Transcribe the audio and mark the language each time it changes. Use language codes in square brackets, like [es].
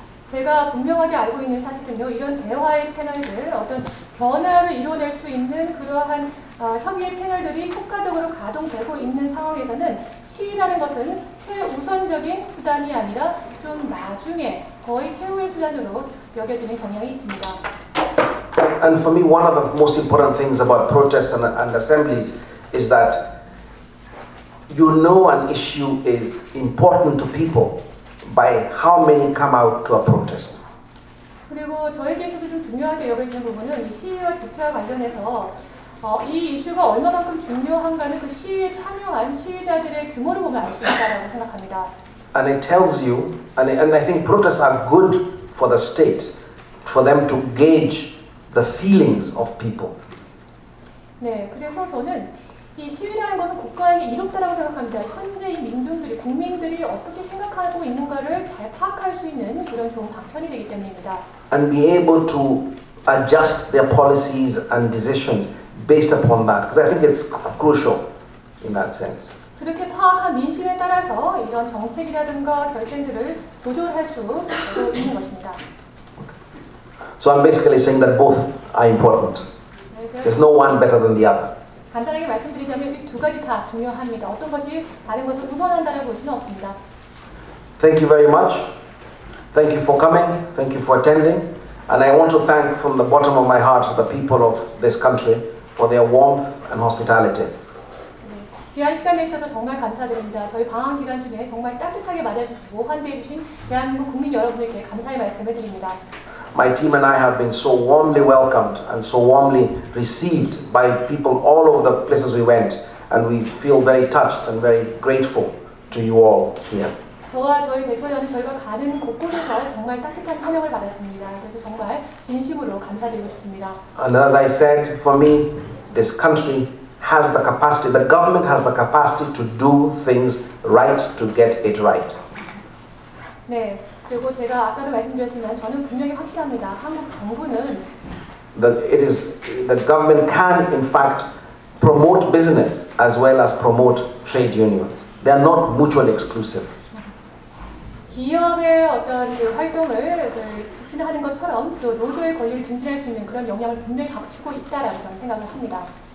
[ko] 제가 분명하게 알고 있는 사실은요, 이런 대화의 채널들, 어떤 변화를 이뤄낼 수 있는 그러한 협의의 채널들이 효과적으로 가동되고 있는 상황에서는 시위라는 것은 최우선적인 수단이 아니라 좀 나중에 거의 최후의 수단으로 여겨지는 경향이 있습니다. [en] And for me, one of the most important things about protests and assemblies is that you know an issue is important to people by how many come out to a protest. [ko] 그리고 저에게 있어서 좀 중요하게 여겨지는 부분은 이 시위와 집회와 관련해서 이 이슈가 얼마만큼 중요한가는 그 시위에 참여한 시위자들의 규모를 보면 알 수 있다고 생각합니다. [en] And it tells you, and I think protests are good for the state, for them to gauge the feelings of people. [ko] 네, 그래서 저는 이 시위라는 것은 국가에게 이롭다라고 생각합니다. 현재 이 민중들이, 국민들이 어떻게 생각하고 있는가를 잘 파악할 수 있는 그런 좋은 방편이 되기 때문입니다. [en] And be able to adjust their policies and decisions based upon that. Because I think it's crucial in that sense. [ko] 그렇게 파악한 민심에 따라서 이런 정책이라든가 결정들을 조절할 수 있는 것입니다. [en] So I'm basically saying that both are important. There's no one better than the other. [ko] 간단하게 말씀드리자면 이 두 가지 다 중요합니다. 어떤 것이 다른 것을 우선한다는 것은 없습니다. [en] Thank you very much. Thank you for coming. Thank you for attending. And I want to thank from the bottom of my heart the people of this country for their warmth and hospitality. [ko] 네, 귀한 시간 내주셔서 정말 감사드립니다. 저희 방학 기간 중에 정말 따뜻하게 맞아주시고 환대해 주신 대한민국 국민 여러분들께 감사의 말씀을 드립니다. [en] My team and I have been so warmly welcomed and so warmly received by people all over the places we went, and we feel very touched and very grateful to you all here. [ko] 저와 저희 대표님 저희가 가는 곳곳에서 정말 따뜻한 환영을 받았습니다. 그래서 정말 진심으로 감사드리고 싶습니다. [en] And as I said, for me, this country has the capacity, the government has the capacity to do things right, to get it right. [ko] 네. 그리고 제가 아까도 말씀드렸지만 저는 분명히 확실합니다. 한국 정부는 [en] the government can in fact promote business as well as promote trade unions. They are not mutually exclusive. [ko] 기업의 어떤 그 활동을 그 촉진하는 것처럼 또 노조의 권리를 증진할 수 있는 그런 영향을 분명히 갖추고 있다라고 저는 생각을 합니다.